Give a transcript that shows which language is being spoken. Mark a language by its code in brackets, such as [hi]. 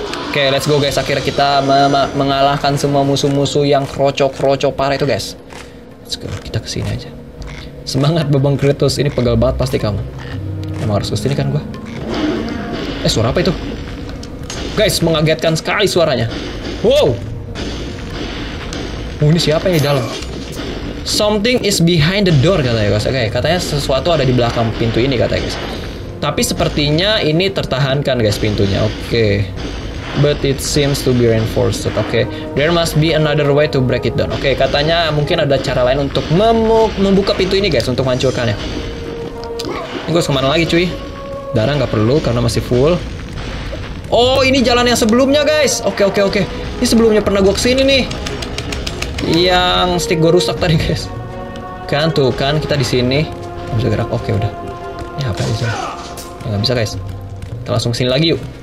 [id] Oke, [en] let's go, [id] guys. Akhirnya kita mengalahkan semua musuh-musuh yang kroco-kroco parah itu, guys. [en] Let's go, [id] kita kesini aja. Semangat, Bebang Kratos. Ini pegal banget pasti kamu. Emang harus kesini kan gue? Suara apa itu? Guys, mengagetkan sekali suaranya. Wow! Ini siapa ini dalam? [en] Something is behind the door, [id] katanya, [en] guys. [id] Oke, katanya sesuatu ada di belakang pintu ini, katanya, guys. Tapi sepertinya ini tertahankan, guys, pintunya. Oke. [en] But it seems to be reinforced. Okay, there must be another way to break it down. [id] Okay, katanya mungkin ada cara lain untuk membuka pintu ini, guys, untuk menghancurkannya. Ini gue harus kemana lagi, cuy? Darah nggak perlu karena masih full. Oh, ini jalan yang sebelumnya, guys. Okay. Ini sebelumnya pernah gue kesini nih. Yang stick gue rusak tadi, guys. Kan tuh kan kita di sini. Bisa gerak. Okay, udah. Ini apa aja? Ya, nggak bisa, guys. Kita langsung kesini lagi yuk.